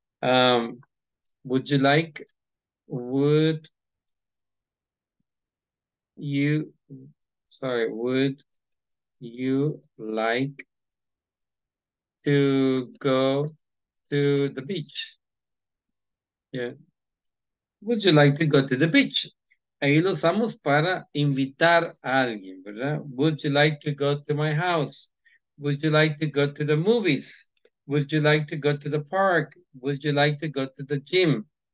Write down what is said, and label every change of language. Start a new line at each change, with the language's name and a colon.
English: Would you like, would you, sorry, would you like to go to the beach? Yeah. Would you like to go to the beach?
Spanish: Ahí lo usamos para invitar a alguien, ¿verdad?
English: Would you like to go to my house? Would you like to go to the movies? Would you like to go to the park? Would you like to go to the gym?